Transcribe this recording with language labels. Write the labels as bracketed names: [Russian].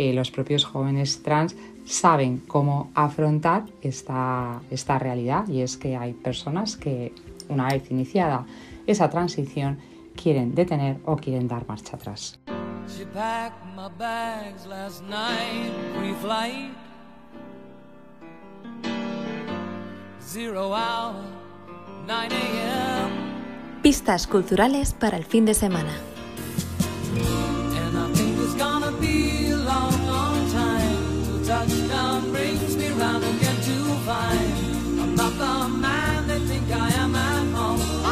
[Spanish] propios jóvenes trans saben cómo afrontar esta realidad, y es que hay personas que una vez iniciada esa transición quieren detener o quieren dar marcha atrás. [English] She packed my bags last night, pre-flight. Zero hour, 9 a.m. [Spanish] Pistas culturales para el fin de semana. [English] And I think it's gonna be a long, long time to tell. touchdown brings me round again to find I'm not the man they think I am at home.